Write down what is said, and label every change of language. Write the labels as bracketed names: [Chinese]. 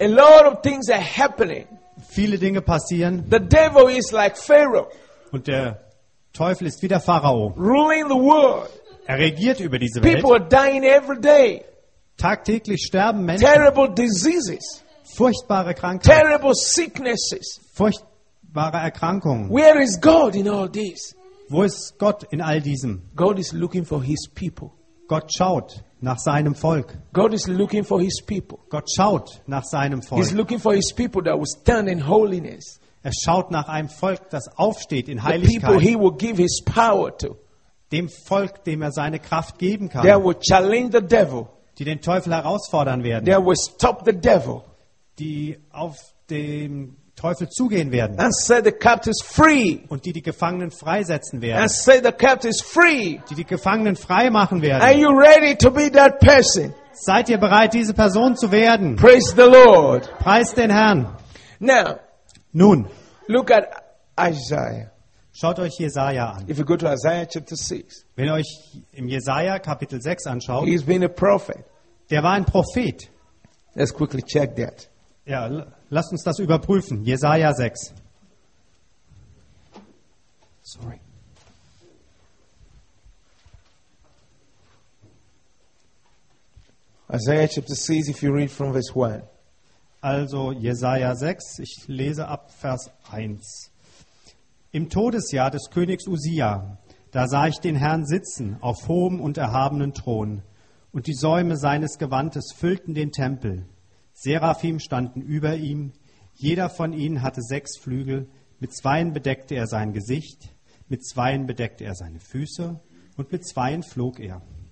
[English] A lot of things are happening. [German] Viele Dinge passieren. [English] The devil is like Pharaoh. [German] Und der Teufel ist wie der Pharao. [English] Ruling the world. [German] Er regiert über diese Welt. [English] People are dying every day. [German] Tagtäglich sterben Menschen. [English] Terrible diseases. [German] Furchtbare Krankheiten. [English] Terrible sicknesses. [German] Furchtbare Erkrankungen. [English] Where is God in all this? [German] Wo ist Gott in all diesem? [English] God is looking for his people. [German] Gott schaut nach seinem Volk. [English] God is looking for his people. [German] Gott schaut nach seinem Volk. [English] He's looking for his people that will stand in holiness. [German] Er schaut nach einem Volk, das aufsteht in Heiligkeit. [English] The people he will give his power to. [German] Dem Volk, dem er seine Kraft geben kann. [English] They will challenge the devil. [German] Die den Teufel herausfordern werden. [English] They will stop the devil. [German] Die auf dem Teufel zugehen werden. [English] And set the captives free. [German] Und die Gefangenen freisetzen werden. [English] And set the captives free. [German] Die Gefangenen frei machen werden. [English] Are you ready to be that person? [German] Seid ihr bereit, diese Person zu werden? [English] Praise the Lord. [German] Preist den Herrn. [English] Now. [German] Nun. [English] Look at Isaiah. [German] Schaut euch Jesaja an. [English] If you go to Isaiah chapter 6. [German] Wenn ihr euch im Jesaja Kapitel 6 anschaut. [English] He's been a prophet. [German] Der war ein Prophet. [English] Let's quickly check that. [German] Ja, lasst uns das überprüfen. Jesaja 6. [English] Sorry. Isaiah chapter 6, if you read from verse 1. [German] Also Jesaja 6, ich lese ab Vers 1. Im Todesjahr des Königs Usia, da sah ich den Herrn sitzen auf hohem und erhabenen Thron, und die Säume seines Gewandes füllten den Tempel. Seraphim standen über ihm, jeder von ihnen hatte 6 Flügel, mit 2 bedeckte er sein Gesicht, mit 2 bedeckte er seine Füße und mit 2 flog er.